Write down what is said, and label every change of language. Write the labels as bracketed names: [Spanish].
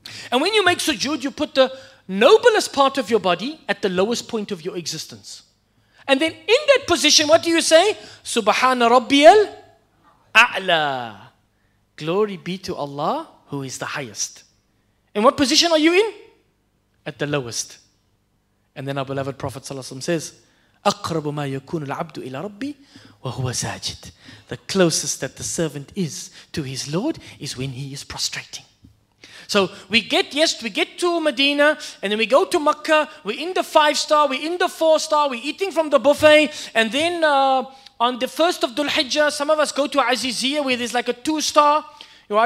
[English] And when you make sujood, you put the noblest part of your body at the lowest point of your existence. And then in that position, what do you say? [Arabic] Subhana Rabbiyal A'la. [English] Glory be to Allah who is the highest. And what position are you in? At the lowest. And then our beloved Prophet ﷺ says, [Arabic] أَقْرَبُ مَا يَكُونُ الْعَبْدُ إِلَى رَبِّي وَهُوَ سَاجِدٌ. [English] The closest that the servant is to his Lord is when he is prostrating. So we get to Medina, and then we go to Makkah, we're in the 5-star, we're in the 4-star, we're eating from the buffet, and then on the 1st of Dhul Hijjah, some of us go to Aziziyah where there's like a 2-star. Why?